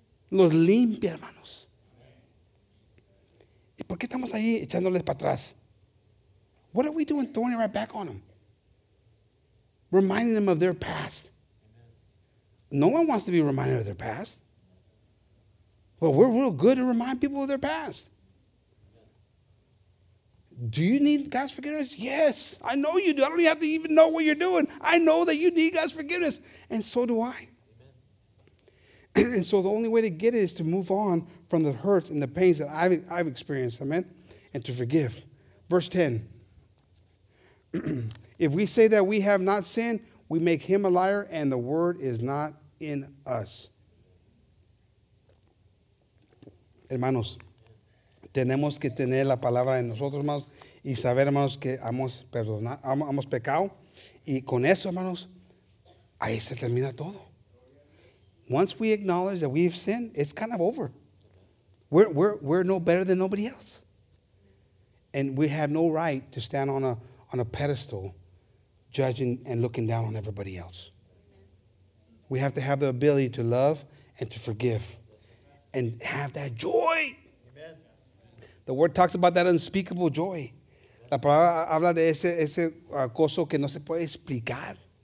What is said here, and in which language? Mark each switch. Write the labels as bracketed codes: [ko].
[es] Los limpia, hermanos. ¿Y por qué estamos ahí echándoles para atrás? [en] What are we doing throwing it right back on them? Reminding them of their past. No one wants to be reminded of their past. Well, we're real good to remind people of their past. Do you need God's forgiveness? Yes, I know you do. I don't have to even know what you're doing. I know that you need God's forgiveness. And so do I. Amen. And so the only way to get it is to move on from the hurts and the pains that I've experienced, amen, and to forgive. Verse 10. If we say that we have not sinned, we make him a liar, and the word is not in us. [es] Hermanos, tenemos que tener la palabra en nosotros, hermanos, y saber, hermanos, que hemos pecado. Y con eso, hermanos, ahí se termina todo. [en] Once we acknowledge that we've sinned, it's kind of over. We're no better than nobody else. And we have no right to stand on a pedestal judging and looking down on everybody else. We have to have the ability to love and to forgive and have that joy. The word talks about that unspeakable joy. [es] La palabra habla de ese gozo que no se puede explicar.